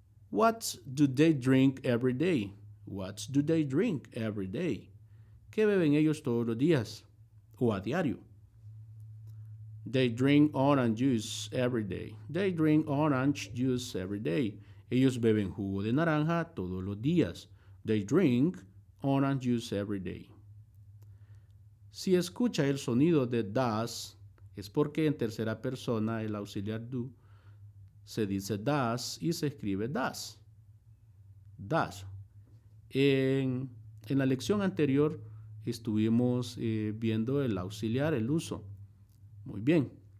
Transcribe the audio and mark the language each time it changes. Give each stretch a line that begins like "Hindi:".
English: What do they drink every day? What do they drink every day?
Spanish: ¿Qué beben ellos todos los días o a diario?
English: They drink orange juice every day. They drink orange juice every day.
Spanish: Ellos beben jugo de naranja todos los días.
English: They drink orange juice every day.
Spanish: Si escucha el sonido de does, es porque en tercera persona el auxiliar do se dice does y se escribe does. Does. En la lección anterior estuvimos viendo el auxiliar, el uso. Muy bien.